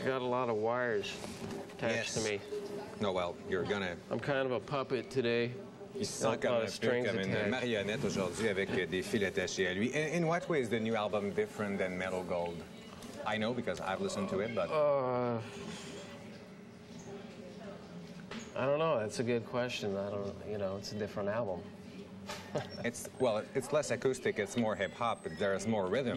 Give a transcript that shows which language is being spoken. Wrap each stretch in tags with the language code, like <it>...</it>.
<en>You got a lot of wires attached to me. No, well, you're gonna. I'm kind of a puppet today.</en> <fr>Il se sent comme un peu comme une marionnette aujourd'hui avec des fils attachés à lui.</fr> <en>In what way is the new album different than Metal Gold? I know because I've listened to it, but. I don't know. That's a good question. I don't. You know, it's a different album. It's well. It's less acoustic. It's more hip hop. There's more rhythm.</en>